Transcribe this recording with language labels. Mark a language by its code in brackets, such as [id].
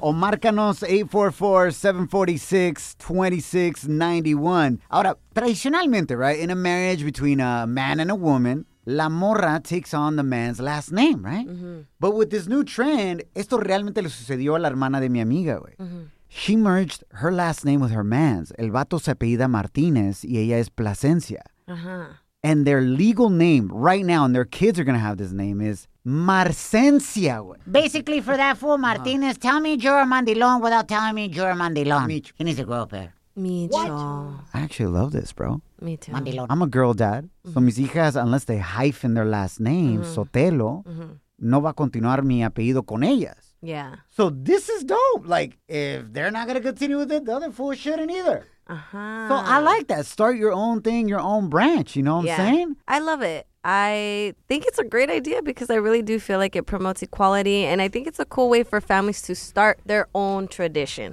[es] O márcanos 844-746-2691. Ahora, tradicionalmente, [en] right, in a marriage between a man and a woman, [es] la morra [en] takes on the man's last name, right? Mm-hmm. But with this new trend, [es] esto realmente le sucedió a la hermana de mi amiga, güey. Mm-hmm. [en] She merged her last name with her man's. [es] El vato se apellida Martinez y ella es Plasencia. Uh-huh. [en] And their legal name right now, and their kids are going to have this name, is Marcencia, güey. Basically, for that fool, Martinez, uh-huh. Tell me you're a mandilón without telling me you're a mandilón. He needs to grow up there. Me too. I actually love this, bro. Me too. Mandilón. I'm a girl dad. Mm-hmm. So [es] mis hijas, [en] unless they hyphen their last name, mm-hmm. Sotelo, mm-hmm. [es] no va a continuar mi apellido con ellas. [en] Yeah. So this is dope. Like, if they're not going to continue with it, the other fool shouldn't either. Uh-huh. So I like that. Start your own thing, your own branch. You know what I'm saying? I love it. I think it's a great idea because I really do feel like it promotes equality. And I think it's a cool way for families to start their own tradition.